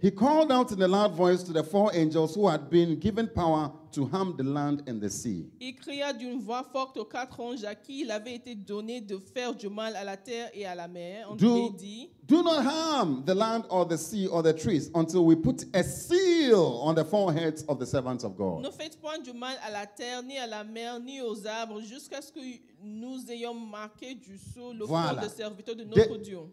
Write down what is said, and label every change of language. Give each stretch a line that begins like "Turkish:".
English: He called out in a loud voice to the four angels who had been given power to harm the land and the sea.
French: Il cria d'une voix forte aux quatre anges à qui il avait été donné de faire du mal à la terre et à la mer.
English: Do not harm the land or the sea or the trees until we put a seal on the foreheads of the servants of God.
French: Ne faites point du mal à la terre, ni à la mer, ni aux arbres, jusqu'à ce que nous ayons marqué du sceau le front des serviteurs de notre Dieu.